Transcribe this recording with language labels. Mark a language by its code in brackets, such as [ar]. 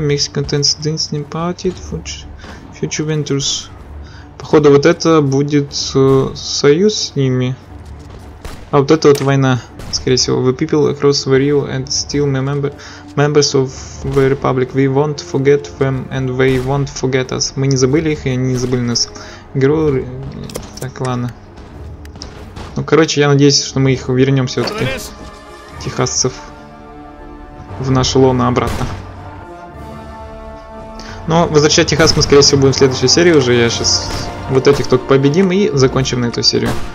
[en] Mexican Tense Dancing Party. Future Ventures. [ru] Походу вот это будет союз с ними. А вот это вот война. Скорее всего, [en] the people across the Rio and still members of the Republic. We won't forget them and they won't forget us. [ru] Мы не забыли их, и они не забыли нас. Так, ладно. Ну, короче, я надеюсь, что мы их вернем все-таки. Техасцев. В наше лоно обратно. Но возвращать Техас мы, скорее всего, будем в следующей серии уже. Я сейчас вот этих только победим и закончим на эту серию.